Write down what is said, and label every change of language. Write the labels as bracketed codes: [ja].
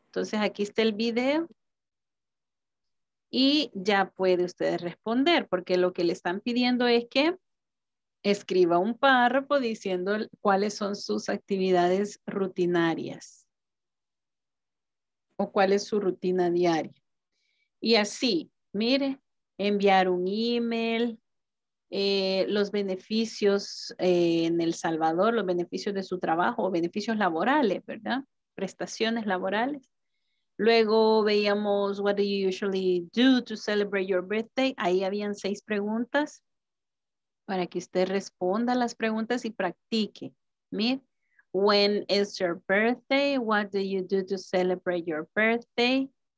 [es] Entonces, aquí está el video. Y ya puede usted responder, porque lo que le están pidiendo es que escriba un párrafo diciendo cuáles son sus actividades rutinarias o cuál es su rutina diaria. Y así, mire, enviar un email, los beneficios en El Salvador, los beneficios de su trabajo, beneficios laborales, ¿verdad? Prestaciones laborales. Luego veíamos, [en] what do you usually do to celebrate your birthday? [es] Ahí habían 6 preguntas. Para que usted responda las preguntas y practique. [en] Mire, when is your birthday? What do you do to celebrate your birthday?